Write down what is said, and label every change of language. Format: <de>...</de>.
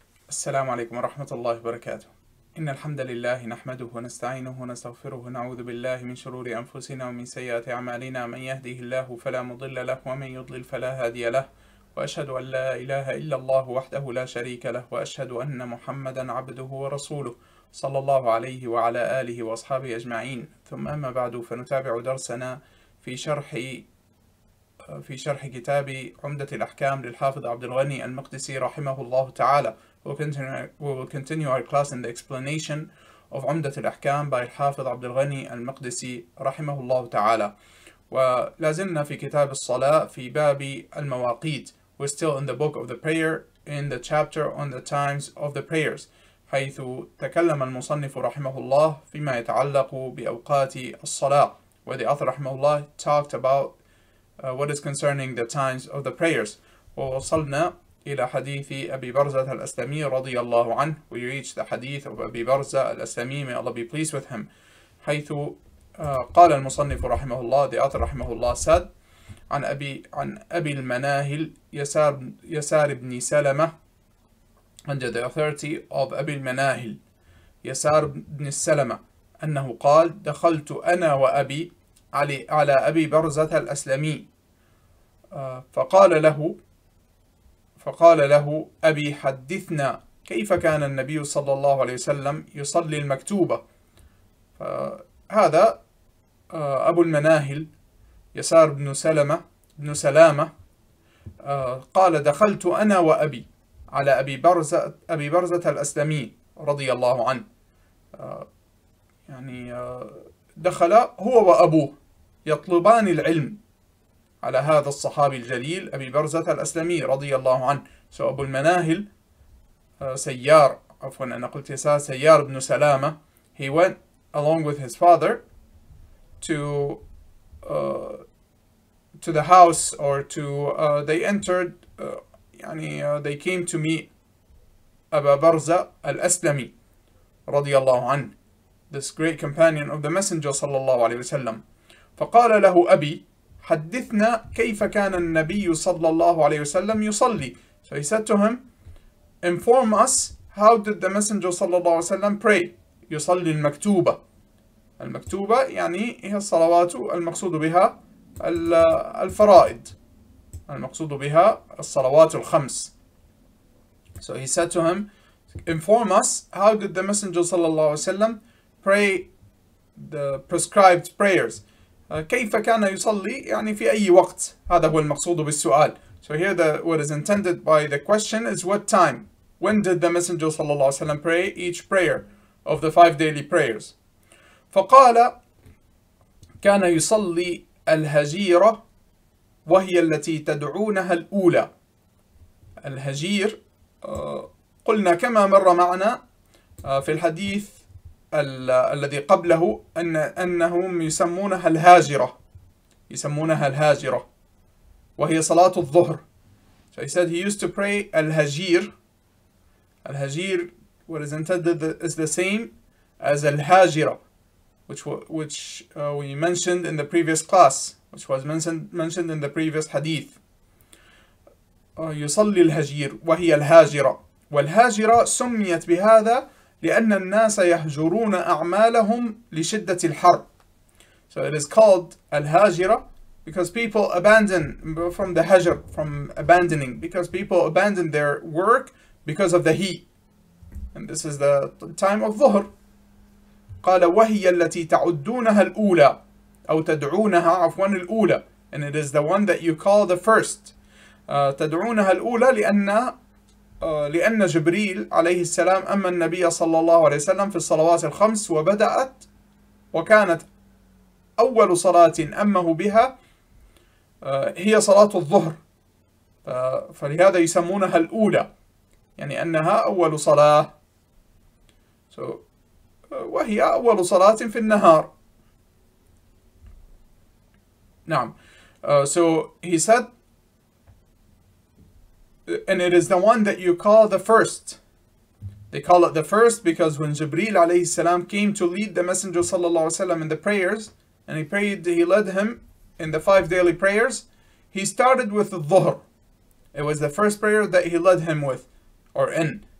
<ar>السلام عليكم ورحمة الله وبركاته. إن الحمد لله نحمده ونستعينه ونستغفره ونعوذ بالله من شرور أنفسنا ومن سيئات أعمالنا، من يهده الله فلا مضل له ومن يضلل فلا هادي له، وأشهد أن لا إله إلا الله وحده لا شريك له، وأشهد أن محمدا عبده ورسوله صلى الله عليه وعلى آله وأصحابه أجمعين. ثم أما بعد، فنتابع درسنا في شرح كتاب عمدة الأحكام للحافظ عبد الغني المقدسي رحمه الله تعالى.</ar> <en>We will continue our class in the explanation of عمدة الأحكام by الحافظ عبد الغني المقدسي رحمه الله تعالى.</en> <ar>ولازلنا في كتاب الصلاة في باب المواقيت.</ar> <en>We're still in the book of the prayer in the chapter on the times of the prayers.</en> <ar>حيث تكلم المصنف رحمه الله فيما يتعلق بأوقات الصلاة.</ar> <en>Where the author رحمه الله talked about what is concerning the times of the prayers.</en> <ar>ووصلنا إلى حديث أبي برزة الأسلمي رضي الله عنه.</ar> <en>We reached the hadith of أبي برزة الأسلمي, may Allah be pleased with him.</en> <ar>حيث قال المصنف رحمه الله,</ar> <en>the author رحمه الله said,</en> <ar>عن أبي المناهل يسار بن سلمة,</ar> <en>under the authority of</en> <ar>أبي المناهل يسار بن سلمة, أنه قال, دخلت أنا وأبي على أبي برزة الأسلمي فقال له أبي حدثنا كيف كان النبي صلى الله عليه وسلم يصلي المكتوبة. فهذا أبو المناهل يسار بن سلامة قال دخلت أنا وأبي على أبي برزة الأسلمي رضي الله عنه. يعني دخل هو وأبوه يطلبان العلم على هذا الصحابي الجليل أبي برزة الأسلمي رضي الله عنه.</ar> <en>So أبو المناهل سيار,</en> <ar>عفوا أنا قلت يسار,</ar> <en>سيار بن سلامة, he went along with his father to the house, or to they entered يعني they came to meet أبا برزة الأسلمي رضي الله عنه, this great companion of the messenger صلى الله عليه وسلم.</en> <ar>فقال له أبي حدثنا كيف كان النبي صلى الله عليه وسلم يصلي.</ar> <en>So he said to him, inform us, how did the messenger صلى الله عليه وسلم pray?</en> <ar>يصلي المكتوبة. المكتوبة يعني هي الصلوات المقصود بها الفرائض. المقصود بها الصلوات الخمس.</ar> <en>So he said to him, inform us, how did the messenger صلى الله عليه وسلم pray the prescribed prayers?</en> <ar>كيف كان يصلي يعني في أي وقت, هذا هو المقصود بالسؤال.</ar> <en>So here what is intended by the question is what time, when did the messenger صلى الله عليه وسلم pray each prayer of the five daily prayers.</en> <ar>فقال كان يصلي الهجيرة وهي التي تدعونها الأولى. الهجير قلنا كما مر معنا في الحديث الذي قبله أنهم يسمونها الهاجرة, يسمونها الهاجرة وهي صلاة الظهر.</ar> <en>So he said he used to pray الهجير. الهجير what is intended is the same as الهاجرة, which we mentioned in the previous class, which was mentioned in the previous hadith.</en> <ar>يصلي الهجير وهي الهاجرة, والهاجرة سميت بهذا لأن الناس يهجرون أعمالهم لشدة الحر.</ar> <en>So it is called الهاجرة because people abandon from the هجر, from abandoning, because people abandon their work because of the heat. And this is the time of ظهر.</en> <ar>قال وهي التي تعدونها الأولى أو تدعونها, عفوا الأولى,</ar> <en>and it is the one that you call the first.</en> <ar>تدعونها الأولى لأن جبريل عليه السلام أما النبي صلى الله عليه وسلم في الصلوات الخمس وبدأت وكانت أول صلاة أمه بها هي صلاة الظهر, فلهذا يسمونها الأولى, يعني أنها أول صلاة, وهي أول صلاة في النهار. نعم.</ar> <en>So he said, and it is the one that you call the first. They call it the first because when Jibreel alayhi salam came to lead the messenger sallallahu alayhi wa sallam in the prayers, and he led him in the five daily prayers, he started with the dhuhr. It was the first prayer that he led him with or in.</en>